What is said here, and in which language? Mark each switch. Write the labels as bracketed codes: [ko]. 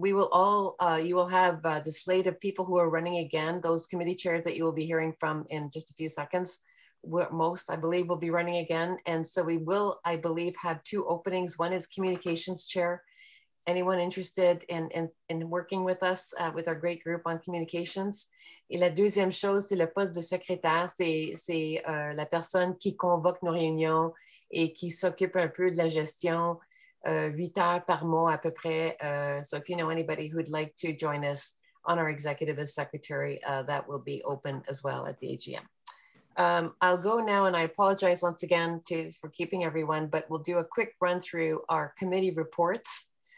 [en] You will have the slate of people who are running again. Those committee chairs that you will be hearing from in just a few seconds, most I believe will be running again. And so we will, I believe, have two openings. One is communications chair. Anyone interested in working with us, with our great group on communications? [fr] Et la deuxième chose, c'est le poste de secrétaire. C'est la personne qui convoque nos réunions et qui s'occupe un peu de la gestion. 8 heures par mois à peu près. [en] So if you know anybody who'd like to join us on our executive as secretary, that will be open as well at the AGM. I'll go now, and I apologize once again for keeping everyone, but we'll do a quick run through our committee reports.